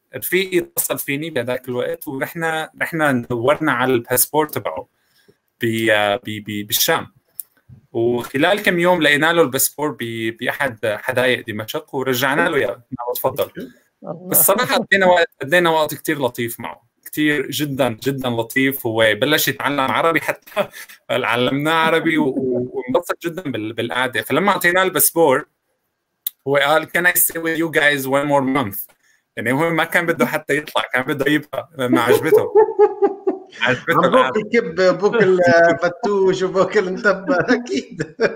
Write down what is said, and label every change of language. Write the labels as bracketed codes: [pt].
[ar] رفيقي اتصل فيني بهذاك الوقت ورحنا دورنا على الباسبور تبعه بالشام، وخلال كم يوم لقينا له الباسبور باحد حدائق دمشق ورجعنا له اياه. نعم تفضل. الصراحة قدينا وقت كتير لطيف معه، كتير جدا جدا لطيف. هو بلش يتعلم عربي حتى علمناه عربي ومبسط جدا بالقعدة. فلما اعطيناه الباسبور هو قال [en] can I stay with you guys one more month. [ar] يعني هو ما كان بده حتى يطلع، كان بده يبقى لما عجبته. بوك الكب بوك الفتوش وبوك المتبة أكيد.